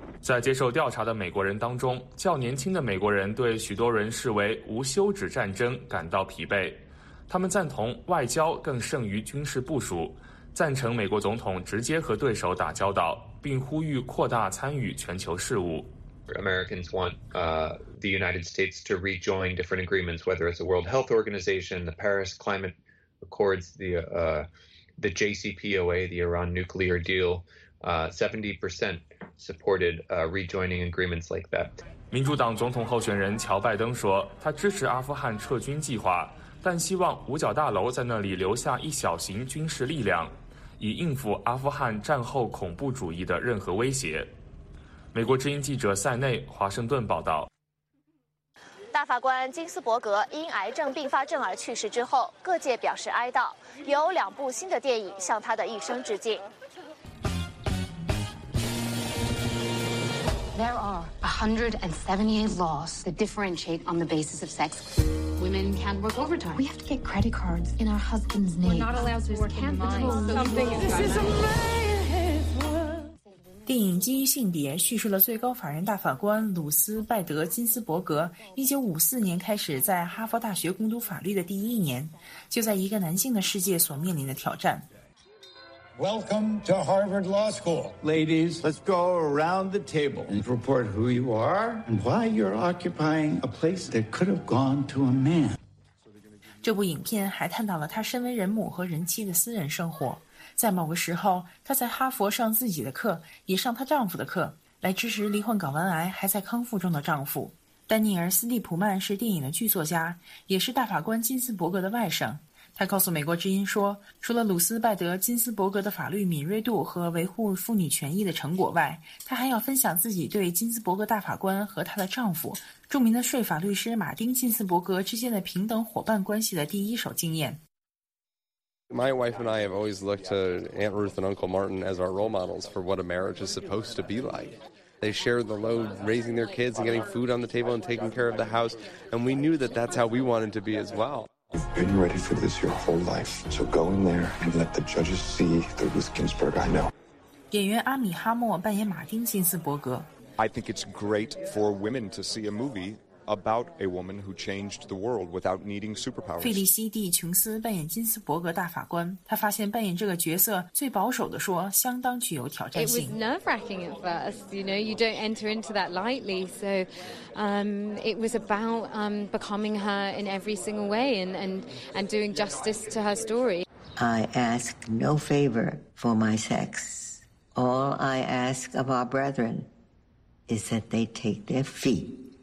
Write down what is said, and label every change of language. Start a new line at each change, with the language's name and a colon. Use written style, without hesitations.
Chinese: 在接受调查的美国人当中，较年轻的美国人对许多人视为无休止战争感到疲惫，他们赞同外交更胜于军事部署，赞成美国总统直接和对手打交道，并呼吁扩大参与全球事务。
English: Americans want the United States to rejoin different agreements, whether it's the World Health Organization, the Paris Climate Accords, the JCPOA, the Iran nuclear deal. 70% supported rejoining agreements like that.
Chinese: 民主党总统候选人乔拜登说，他支持阿富汗撤军计划，但希望五角大楼在那里留下一小型军事力量，以应付阿富汗战后恐怖主义的任何威胁。美国之音记者塞内华盛顿报道。大法官金斯伯格因癌症并发症而去世之后，各界表示哀悼，有两部新的电影向他的一生致敬。
English: There are 178 laws that differentiate on the basis of sex. Women can work overtime. We have to get credit cards in our husband's name. We're not allowed to work in mines. This is amazing.
Chinese: 电影《基于性别》叙述了最高法院大法官鲁斯·拜德·金斯伯格1954年开始在哈佛大学攻读法律的第一年，就在一个男性的世界所面临的挑战。
English: Welcome to Harvard Law School. Ladies, let's go around the table and report who you are and why you're occupying a place that could have gone to a man.
Chinese: 这部影片还探讨了他身为人母和人妻的私人生活。在某个时候，她在哈佛上自己的课，也上她丈夫的课，来支持罹患睾丸癌还在康复中的丈夫。丹尼尔·斯蒂普曼是电影的剧作家，也是大法官金斯伯格的外甥。他告诉美国之音说，除了鲁斯·拜德·金斯伯格的法律敏锐度和维护妇女权益的成果外，他还要分享自己对金斯伯格大法官和他的丈夫、著名的税法律师马丁·金斯伯格之间的平等伙伴关系的第一手经验。
English: My wife and I have always looked to Aunt Ruth and Uncle Martin as our role models for what a marriage is supposed to be like. They shared the load raising their kids and getting food on the table and taking care of the house. And we knew that that's how we wanted to be as well. You've been ready for this your whole life. So go in there and let the judges see the Ruth Ginsburg I know.
Chinese: 演员阿米·哈默扮演马丁·金斯伯格。
English: I think it's great for women to see a movie about a woman who changed the world without needing superpowers.
Chinese: 费利西蒂·琼斯扮演金斯伯格大法官。他发现扮演这个角色，最保守的说，相当具有挑战性。
English: It was nerve-wracking at first. You know, you don't enter into that lightly. So, it was about becoming her in every single way and doing justice to her story. I ask no favor for my sex. All I ask of our brethren is that they take their feet.